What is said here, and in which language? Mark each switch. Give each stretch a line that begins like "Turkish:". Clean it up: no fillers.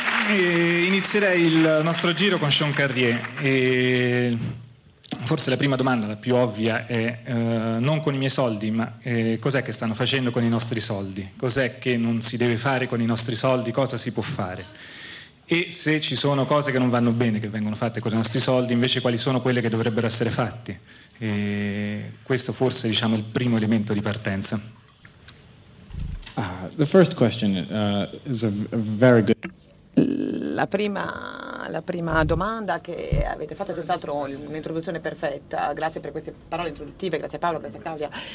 Italian: Inizierei il nostro giro con Sean Carrier, e forse la prima domanda, la più ovvia, è non con i miei soldi, ma cos'è che stanno facendo con i nostri soldi? Cos'è che non si deve fare con i nostri soldi? Cosa si può fare? E se ci sono cose che non vanno bene, che vengono fatte con i nostri soldi, invece quali sono quelle che dovrebbero essere fatte? Questo forse diciamo, è il primo elemento di partenza.
English: The first question is a very good...
Italian: La prima la prima domanda che avete fatto, è senz'altro un'introduzione perfetta, grazie per queste parole introduttive, grazie a Paolo, grazie a Claudia.